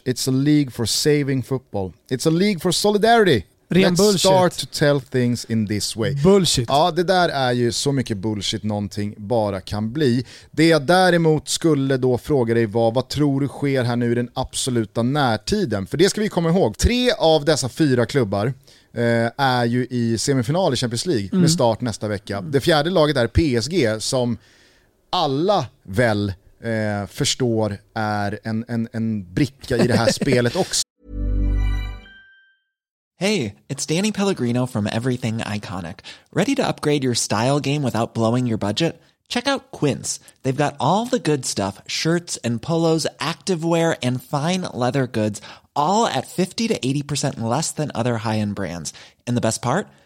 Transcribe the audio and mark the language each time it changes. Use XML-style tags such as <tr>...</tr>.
<en>It's a league for saving football. It's a league for solidarity.</en> <sv>Ren</sv> <en>Let's</en> <sv>bullshit.</sv> <en>Start to tell things in this way." Bullshit.</en> <sv>Ja, det där är ju så mycket bullshit någonting bara kan bli. Det jag däremot skulle då fråga dig var: vad tror du sker här nu i den absoluta närtiden? För det ska vi komma ihåg. Tre av dessa fyra klubbar är ju i semifinal i Champions League med start nästa vecka. Det fjärde laget är PSG, som alla väl förstår är en bricka i det här spelet också.</sv> <en>Hey, it's Danny Pellegrino from Everything Iconic. Ready to upgrade your style game without blowing your budget? Check out Quince. They've got all the good stuff, shirts and polos, activewear and fine leather goods, all at 50 to 80% less than other high-end brands. And the best part?</en>